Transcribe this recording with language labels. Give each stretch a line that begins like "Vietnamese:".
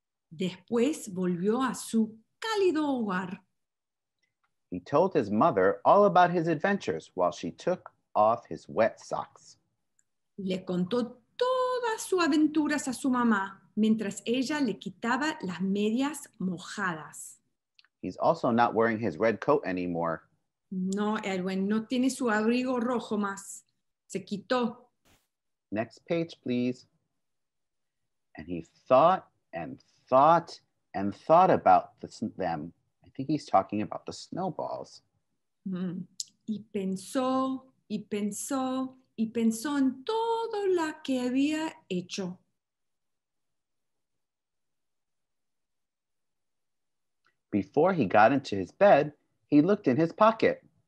Spanish: Después volvió a su cálido hogar.
English: He told his mother all about his adventures while she took off his wet socks.
Spanish: Le contó todas sus aventuras a su mamá mientras ella le quitaba las medias mojadas.
English: He's also not wearing his red coat anymore.
Spanish: No, Edwin, no tiene su abrigo rojo más. Se quitó.
English: Next page, please. And he thought and thought and thought about them. I think he's talking about the snowballs.
Spanish: Y pensó, y pensó, y pensó en todo lo que había hecho.
English: Before he got into his bed, he looked in his pocket.